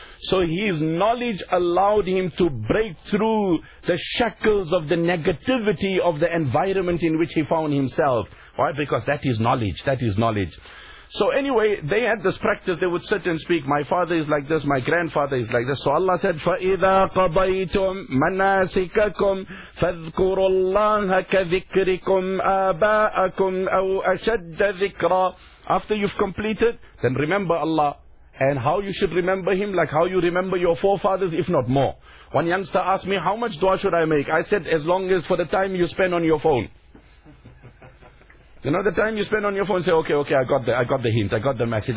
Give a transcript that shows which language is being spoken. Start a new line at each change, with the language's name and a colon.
English: So his knowledge allowed him to break through the shackles of the negativity of the environment in which he found himself. Why? Because that is knowledge. That is knowledge. So anyway, they had this practice. They would sit and speak, my father is like this, my grandfather is like this. So Allah said,
Arabic: فَإِذَا قَضَيْتُم مَنَاسِكَكُمْ فَاذْكُرُوا اللَّهَ كَذِكْرِكُمْ آبَاءَكُمْ أَوْ أَشَدَّ ذِكْرًا.
English: After you've completed, then remember Allah. And how you should remember Him, like how you remember your forefathers, if not more. One youngster asked me, how much dua should I make? I said, as long as for the time you spend on your phone. You know, the time you spend on your phone, say, okay, I got the hint, I got the message.